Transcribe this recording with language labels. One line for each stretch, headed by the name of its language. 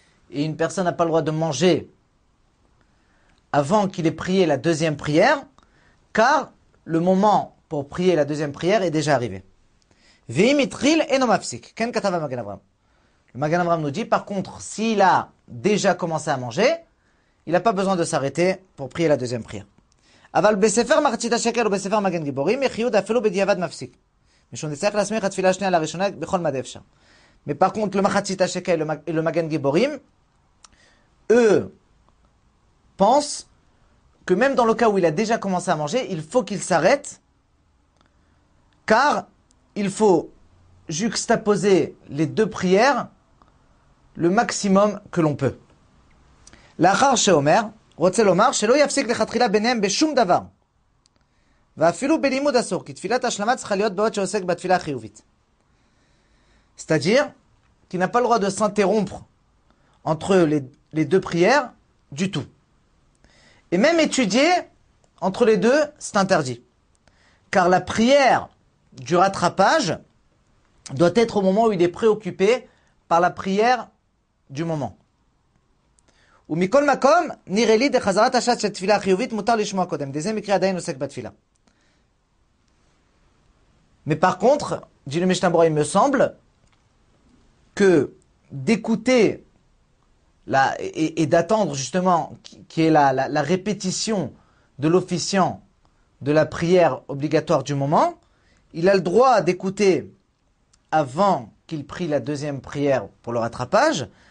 French: Et une personne n'a pas le droit de manger avant qu'il ait prié la deuxième prière, car le moment pour prier la deuxième prière est déjà arrivé.
Hebrew: Vim itril et nomafsik. Ken katava Magan Avram.
French: Le Magan Avram nous dit, par contre, s'il a déjà commencé à manger, il n'a pas besoin de s'arrêter pour prier la deuxième prière.
Hebrew: אבל בספר מחצית השקל ובספר מגן גיבורים יחיוד אפילו בדיעבד מפסיק. משום נצטרך להסמיך התפילה השנייה לראשונה בכל מדי אפשר. מפרקונט למחצית השקל ולמגן גיבורים,
French: eux pensent que même dans le cas où il a déjà commencé à manger, il faut qu'il s'arrête, car il faut juxtaposer les deux prières le maximum que l'on peut.
Hebrew: לאחר שאומר, רוצה לומר שלא יפסיק לכתחילה ביניהם בשום דבר. ואפילו בלימוד אסור, כי תפילת השלמה צריכה להיות בעוד שעוסק בתפילה החיובית.
French: C'est-à-dire qu'il n'a pas le droit de s'interrompre entre les deux prières du tout. Et même étudier entre les deux, c'est interdit. Car la prière du rattrapage doit être au moment où il est préoccupé par la prière du moment.
Hebrew: ומכל מקום נראה לי דחזרת השעת של תפילה חיובית מותר לשמוע קודם. דזה מקרה עדיין עוסק בתפילה.
French: Mais par contre, dit le Mishnah Berurah, il me semble que d'écouter et d'attendre justement qui est la répétition de l'officiant de la prière obligatoire du moment, il a le droit d'écouter avant qu'il prie la deuxième prière pour le rattrapage.